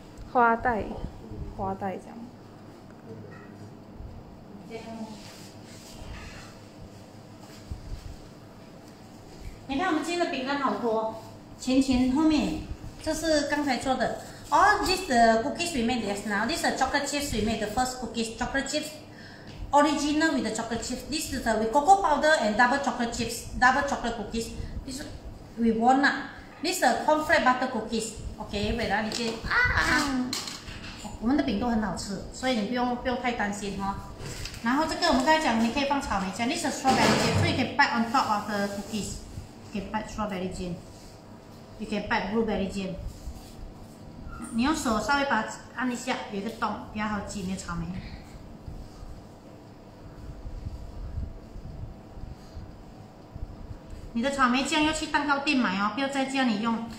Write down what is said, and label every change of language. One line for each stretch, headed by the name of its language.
Chinese: 花袋这样。你看我们今天的饼干好多，前后面，这是刚才做的。
English: All these cookies we made just now. These are chocolate chips we made. The first cookies, chocolate chips, original with the chocolate chips. This is with cocoa powder and double chocolate chips, double chocolate cookies. This we won up. This is cornflake butter cookies. Okay, wait,
Chinese: ah, 你先啊，我们的饼都很好吃，所以你不用太担心哈。然后这个我们刚才讲，你可以放草莓酱。
English: This is strawberry jam, so you can bite on top of the cookies. You can bite strawberry jam. You can bite blueberry jam.
Chinese: 你用手稍微把它按一下，有一个洞，比较好挤那草莓。你的草莓酱要去蛋糕店买哦，不要在家里用。